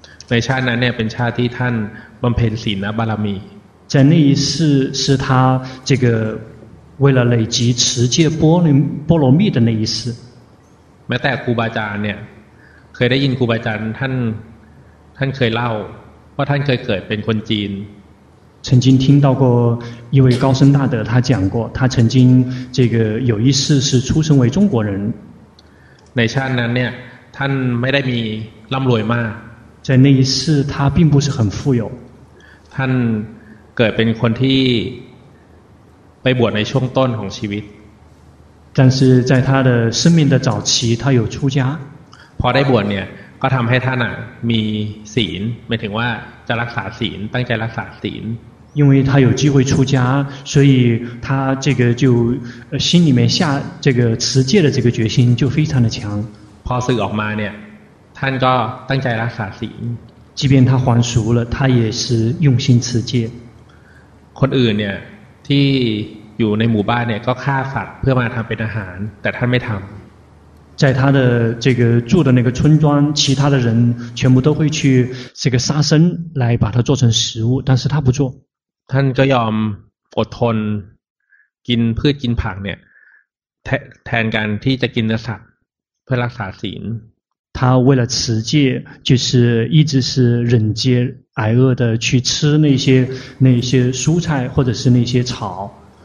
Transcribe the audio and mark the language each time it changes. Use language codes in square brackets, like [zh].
[th] ในชาตินั้นเนี่ยเป็นชาติที่ท่านบำเพ็ญศีลบารมี [zh] 在那一世是他这个为了累积持戒波罗蜜的那一世 [th] แม้แต่ครูบาอาจารย์เนี่ยเคยได้ยินครูบาอาจารย์ท่านเคยเล่าว่าท่านเคยเกิดเป็นคนจีน [zh] 曾经听到过一位高僧大德他讲过他曾经这个有一世是出生为中国人 [th] ในชาตินั้นเนี่ยท่านไม่ได้มีร่ำรวยมาก [zh] 在那一世他并不是很富有 [th] ท่านเกิดเป็นคนที่ไปบวชในช่วงต้นของชีวิต [zh] 但是在他的生命的早期他有出家 [th] พอได้บวชเนี่ยก็ทำให้ท่านมีศีลหมายถึงว่าจะรักษาศีลตั้งใจรักษาศีล [zh] 因为他有机会出家所以他这个就心里面下这个持戒的这个决心就非常的强 [th] พอศึกออกมาเนี่ยท่านก็ตั้งใจรักษาศีล [zh] 即便他还俗了他也是用心持戒 [th] คนอื่นเนี่ยที่อยู่ในหมู่บ้านเนี่ยก็ฆ่าสัตว์เพื่อมาทำเป็นอาหารแต่ท่านไม่ทำ [zh] 在他的这个住的那个村庄其他的人全部都会去这个杀生来把它做成食物但是他不做 [th] ท่านก็ยอมอดทนกินพืชกินผักเนี่ยแทนการที่จะกินเนื้อสัตว์เพื่อรักษาศีล [zh] 他为了持戒就是一直是忍饥挨饿的去吃那些蔬菜或者是那些草